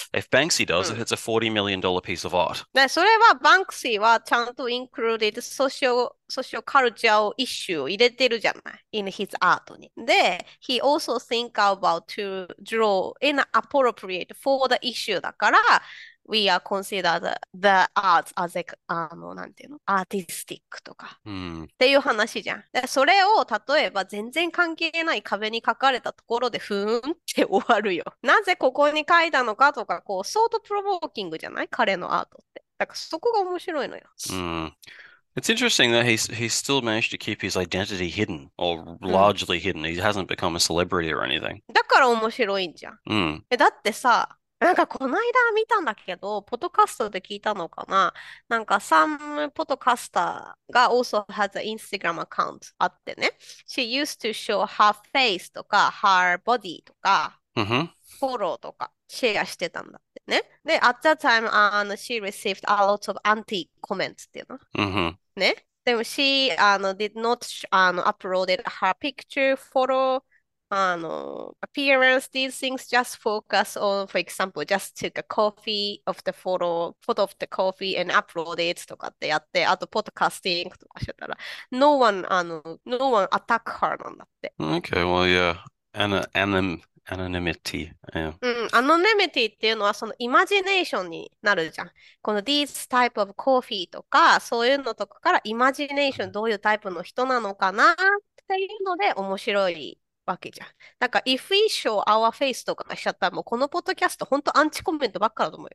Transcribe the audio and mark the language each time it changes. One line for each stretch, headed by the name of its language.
English: If Banksy does it, it's a $40 million piece of art.
Japanese: で、それはバンクシーはちゃんとインクルーディッドソシオカルチャーをイシューを入れてるじゃない。
English: in his art に。で、he also think about to draw in appropriate for the issue だから、we are considered the arts as a,
Japanese: なんていうの、
English: artistic とか。
Japanese: っていう話じゃん。で、それを例えば全然関係ない壁に書かれたところで、ふーんって終わるよ。なぜここに書いたのかとか、こう、相当プロボーキングじゃない？彼のアートって。だからそこが面白いのよ。
English: It's interesting that he's still managed to keep his identity hidden, or largely hidden. He hasn't become a celebrity or anything.
Japanese: だから面白いんじゃん。だってさ、なんかこの間見たんだけど、ポッドカストで聞いたのかな？なんかサム・ポッドカスターが
English: also has an Instagram account
Japanese: あってね。
English: She used to show her face とか、her body とか、フォローとかシェアしてたんだってね。で、at that time, she received a lot of anti comments っていうの。ね。でも、she, did not, uploaded her picture, photo, appearance, these things just focus on, for example, just took a copy of the photo of the coffee and uploaded とかってやって、あと、podcasting とかしてたら、no one attack her なんだって。 Okay, well, yeah, anonymity, yeah.
Japanese: アノネミティっていうのはそのイマジネーションになるじゃん。この
English: these type of coffee
Japanese: とかそういうのとかからイマジネーションどういうタイプの人なのかなっていうので面白いわけじゃん。だから
English: if we show our face
Japanese: とかしちゃったらもうこのポッドキャスト本当アンチコメントばっかだと思うよ。